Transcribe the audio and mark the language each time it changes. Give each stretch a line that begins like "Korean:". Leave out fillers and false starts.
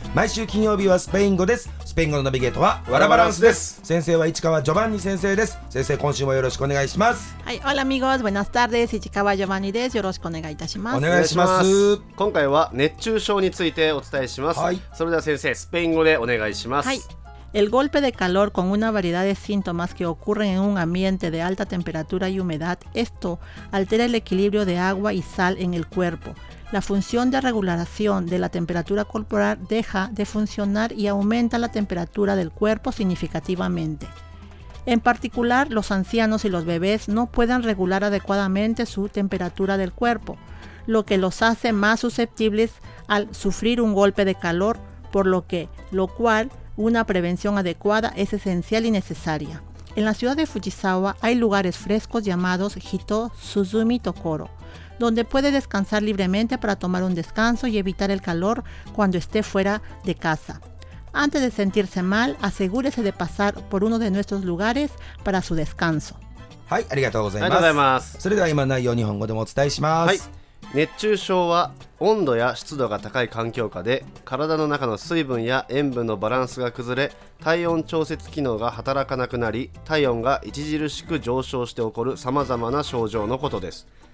Japanese: 毎週金曜日はスペイン語です。スペイン語のナビゲートはワラバランスです。先生は市川ジョバンニ先生です。先生、今週もよろしくお願いします。はい、オラミゴーズ、ブナスタルです。市川ジョバンニです。よろしくお願いいたします。お願いします。今回は熱中症についてお伝えします。はい、それでは先生、スペイン語でお願いします。はい。
Spanish: El golpe de calor con una variedad de síntomas que ocurren en un ambiente de alta temperatura y humedad, esto altera el equilibrio de agua y sal en el cuerpo. La función de regulación de la temperatura corporal deja de funcionar y aumenta la temperatura del cuerpo significativamente. En particular, los ancianos y los bebés no pueden regular adecuadamente su temperatura del cuerpo, lo que los hace más susceptibles al sufrir un golpe de calor, por lo cual una prevención adecuada es esencial y necesaria. En la ciudad de Fujisawa hay lugares frescos llamados Hito Suzumi Tokoro, donde puede descansar libremente para tomar un descanso y evitar el calor cuando esté fuera de casa. Antes de sentirse mal, asegúrese de pasar por uno de nuestros lugares para su descanso.
Japanese: はい、ありがとうございます。ありがとうございます。それでは今内容日本語でもお伝えします。はい。熱中症は温度や湿度が高い環境下で体の中の水分や塩分のバランスが崩れ、体温調節機能が働かなくなり、体温が著しく上昇して起こる様々な症状のことです。